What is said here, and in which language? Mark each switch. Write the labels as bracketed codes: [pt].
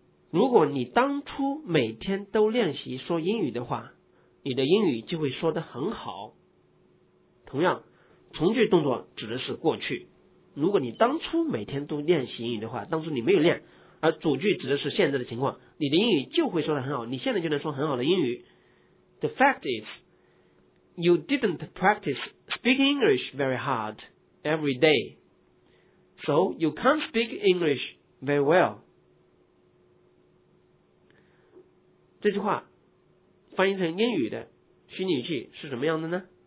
[zh] 如果你当初每天都练习说英语的话，你的英语就会说得很好。同样，从句动作指的是过去。如果你当初每天都练习英语的话，当初你没有练，而主句指的是现在的情况，你的英语就会说得很好，你现在就能说很好的英语。 [en] The fact is, you didn't practice speaking English very hard every day, so you can't speak English very well. [zh] 这句话翻译成英语的虚拟语气是什么样的呢？